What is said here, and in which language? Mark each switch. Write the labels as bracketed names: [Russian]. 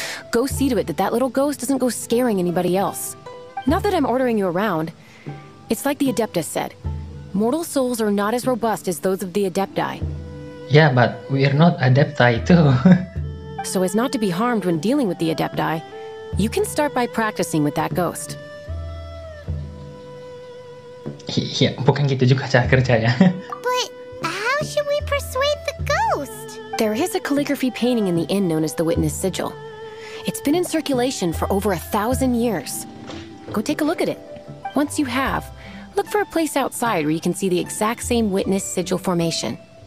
[English] go see to it that that little ghost doesn't go scaring anybody else. Not that I'm ordering you around. It's like the Adeptus said. Mortal souls are not as robust as those of the Adepti. Yeah, but we're not Adepti too. So as not to be harmed when dealing with the Adepti, you can start by practicing with that ghost. [Indonesian] Yeah, bukan gitu juga cara kerjanya. [English] But how should we persuade the ghost? There is a calligraphy painting in the inn known as the Witness Sigil. It's been in circulation for over 1,000 years. Go take a look at it. Once you have, look for a place outside where you can see the exact same Witness Sigil formation.